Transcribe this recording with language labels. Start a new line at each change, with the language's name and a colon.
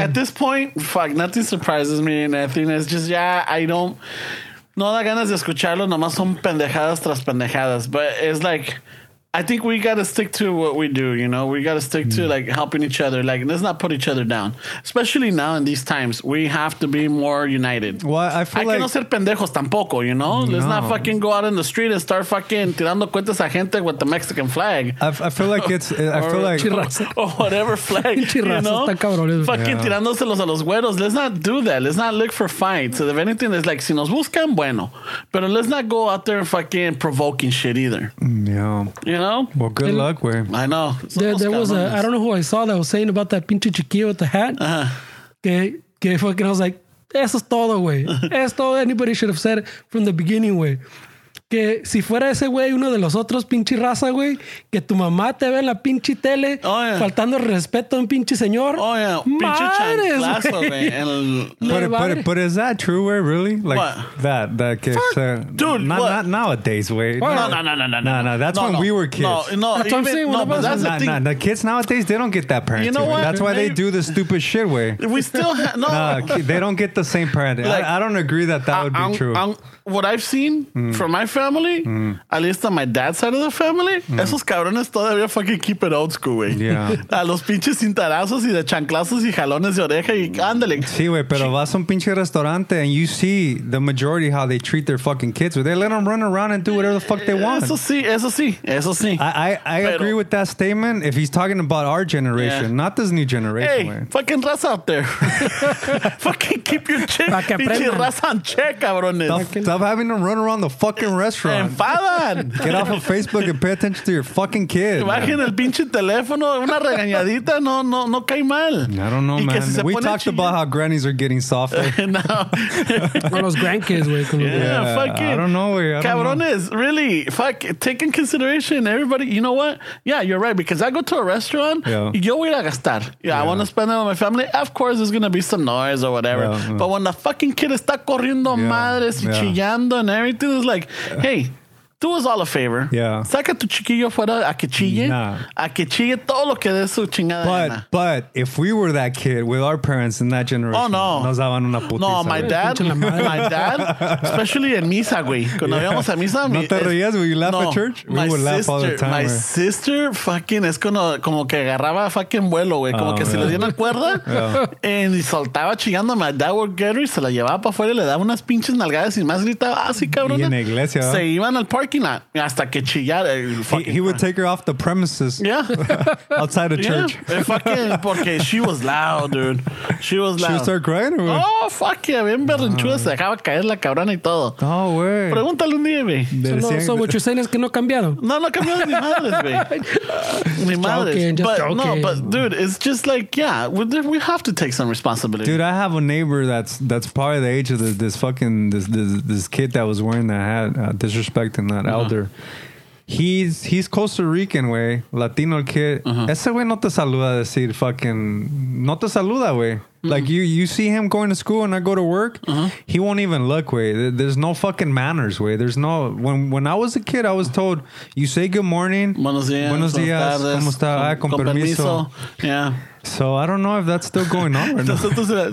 English: At this point, fuck, nothing surprises me, and I think it's just I don't.
Spanish: No da ganas de escucharlo, nomás son pendejadas tras pendejadas.
English: But it's like, I think we gotta stick to what we do, you know? We gotta stick to, like, helping each other. Like, let's not put each other down. Especially now in these times, we have to be more united. Well, I feel Que no ser pendejos tampoco, you know? No. Let's not fucking go out in the street and start fucking tirando cuentas a gente with the Mexican flag. I feel like it's, I feel like. Or whatever flag. You know?
Spanish: Está cabrón.
English: Fucking tirándoselos a los güeros. Let's not do that. Let's not look for fights. If anything, it's like, si nos buscan, bueno. Pero let's not go out there and fucking provoking shit either. Yeah. You know? Well, good luck, Wade. I know. I don't know who I saw that was saying about that pinche chiquillo with the hat.
Spanish: Okay, fucking, I was like, eso es todo, güey. Es todo.
English: Anybody should have said it from the beginning, güey.
Spanish: Que si fuera ese güey uno de los otros pinche raza, güey, que tu mamá te ve en la pinche tele faltando respeto a un pinche señor. Oh, yeah. Pinche chanclazo,
English: güey. But is that true, güey, really? Like, what? That que dude, not, what? Not nowadays, güey. No. That's when we were kids. No. That's what I'm saying. No, but that's the thing. The kids nowadays, they don't get that parenting. You know what? That's why they do the stupid shit, güey. We still have... No. They don't get the same parenting. Like, I don't agree that would be true. What I've seen from my family, at least on my dad's side of the family, esos cabrones todavía fucking keep it old school, güey. Yeah.
Spanish: A los pinches cintarazos y de chanclazos y jalones de oreja y ándale.
English: Sí, güey, pero vas a un pinche restaurante and you see the majority how they treat their fucking kids. They let them run around and do whatever the fuck they want.
Spanish: Eso sí.
English: I agree with that statement if he's talking about our generation, not this new generation, güey. Hey, fucking raza out there. Fucking keep your check.
Spanish: Pinche raza en check, cabrones.
English: Stop having them run around the fucking restaurant.
Spanish: Enfadan.
English: Get off of Facebook and pay attention to your fucking kid.
Spanish: Bajen el pinche teléfono. Una regañadita. No cae mal.
English: I don't know, man. We talked about how grannies are getting softer.
Spanish: No. Los grandkids, güey.
English: Yeah, fucking. I don't know, güey.
Spanish: Cabrones,
English: know. Really. Fuck. Take in consideration, everybody. You know what? Yeah, you're right. Because I go to a restaurant. Yeah.
Spanish: Yo voy a gastar.
English: Yeah. I want to spend it with my family. Of course, there's going to be some noise or whatever. Yeah. But when the fucking kid está corriendo madres y chillando and everything, is like, hey, do us all a favor. Yeah.
Spanish: Saca tu chiquillo fuera a que chille.
English: Nah.
Spanish: A que chille todo lo que de su chingada.
English: But if we were that kid with our parents in that generation. Oh, no.
Spanish: Nos daban una putiza. No, my dad, especially in misa, güey. Cuando íbamos a misa. No te rías, güey. You laugh at church? My sister fucking es como que agarraba fucking vuelo, güey. Como que si le dieron cuerda. Y soltaba chillando. My dad would get her y se la llevaba para afuera y le daba unas pinches nalgadas y más gritaba así, cabrón. Y en la iglesia. Se iban al parking. Hasta que chillara,
English: he would take her off the premises. Yeah. Outside of church. Fucking, porque she was loud, dude. She was loud. She start crying, or
Spanish: oh, fuck yeah. Bien berrinchuda. Se dejaba caer la cabrona y todo. No, güey. Pregúntale un día, güey.
English: So what you're saying is que no cambiaron.
Spanish: No cambiaron ni madres, güey. Ni madres.
English: But, dude, it's just like, yeah, we have to take some responsibility. Dude, I have a neighbor that's probably the age of this kid that was wearing that hat, disrespecting. That elder, he's Costa Rican, way Latino kid.
Spanish: Ese güey no te saluda decir fucking no te saluda, way.
English: Like you see him going to school and I go to work, he won't even look, way. There's no fucking manners, way. There's no when I was a kid, I was told you say good morning,
Spanish: buenos días, cómo está, con permiso,
English: yeah. So I don't know if that's still going on or not.